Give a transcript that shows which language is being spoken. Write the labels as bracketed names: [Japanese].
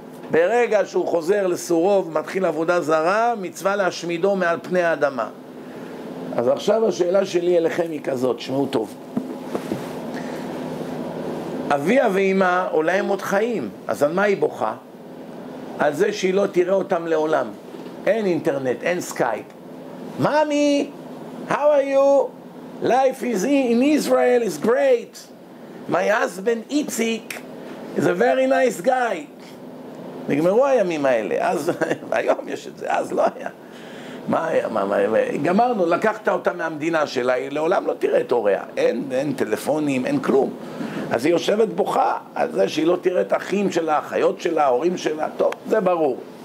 [Hebrew] ברגע שהוא חוזר לסורו ומתחיל עבודה זרה, מצווה להשמידו מעל פני האדמה. אז עכשיו השאלה שלי אליכם היא כזאת, שמעו טוב. אביה ואמא, אולי הם עוד חיים, אז על מה היא בוכה? על זה שהיא לא תראה אותם לעולם. אין אינטרנט, אין סקייפ. [English] מאמי, how are you? Life is in Israel is great. My husband Itzik is a very nice guy. [Hebrew] נגמרו הימים האלה, אז היום יש את זה, אז לא היה. מה היה, גמרנו, לקחת אותה מהמדינה שלה, היא לעולם לא תראה את הוריה, אין טלפונים, אין כלום. אז היא יושבת בוכה על זה שהיא לא תראה את האחים שלה, האחיות שלה, ההורים שלה, טוב, זה ברור.